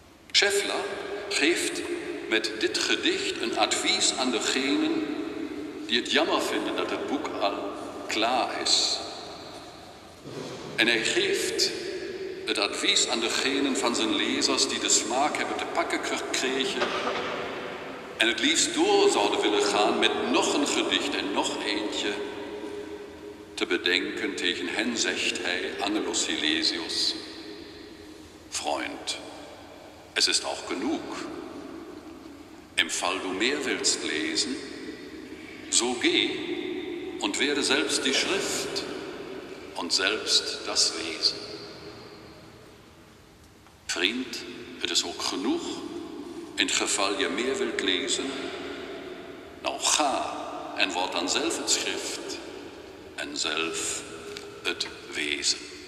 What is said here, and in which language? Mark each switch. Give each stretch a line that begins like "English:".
Dutch: Scheffler geeft met dit gedicht een advies aan degenen die het jammer vinden dat het boek al klaar is. En hij geeft het advies aan degenen van zijn lezers die de smaak hebben te pakken gekregen en het liefst door zouden willen gaan met nog een gedicht en nog eentje. Te bedenken, tegen hen zegt hij, Angelus Silesius:
German: Freund, es ist auch genug. Im Fall du mehr willst lesen, so geh und werde selbst die Schrift und selbst das Wesen.
Dutch: Vriend, het is ook genoeg, in geval je meer wilt lezen, nou ga en word dan zelf het Schrift. zelf het wezen.